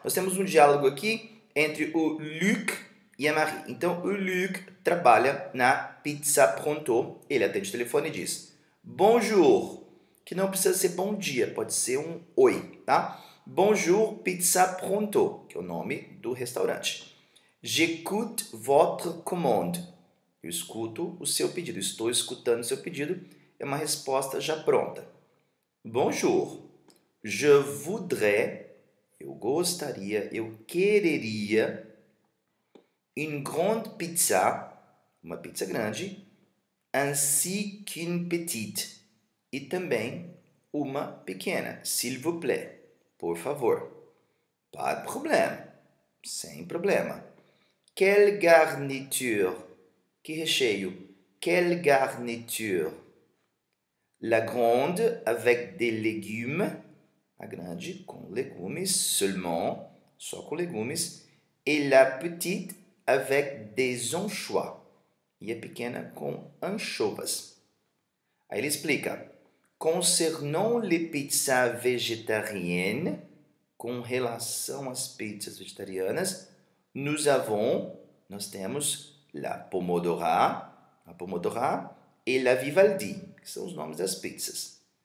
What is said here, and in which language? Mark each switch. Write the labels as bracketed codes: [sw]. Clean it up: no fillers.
[pt] Nós temos um diálogo aqui entre o Luc e a Marie. Então, o Luc trabalha na Pizza Pronto. Ele atende o telefone e diz bonjour, que não precisa ser bom dia, pode ser um oi, tá? Bonjour, Pizza Pronto, que é o nome do restaurante. [fr] J'écoute votre commande. [pt] Eu escuto o seu pedido, estou escutando o seu pedido. É uma resposta já pronta. [fr] Bonjour, je voudrais, [pt] eu gostaria, eu quereria [fr] une grande pizza, [pt] uma pizza grande, [fr] ainsi qu'une petite, [pt] e também uma pequena, [fr] s'il vous plaît, [pt] por favor. [fr] Pas de problème, [pt] sem problema. [fr] Quelle garniture, [pt] que recheio, [fr] quelle garniture. La grande avec des légumes, [pt] a grande com legumes, [fr] seulement, [pt] só com legumes, [fr] et la petite avec des anchois, [pt] e a pequena com anchovas. Aí ele explica, [fr] concernant les pizzas végétariennes, [pt] com relação às pizzas vegetarianas, [fr] nous avons, [pt] nós temos la pomodora et la Vivaldi, que são os nomes das pizzas.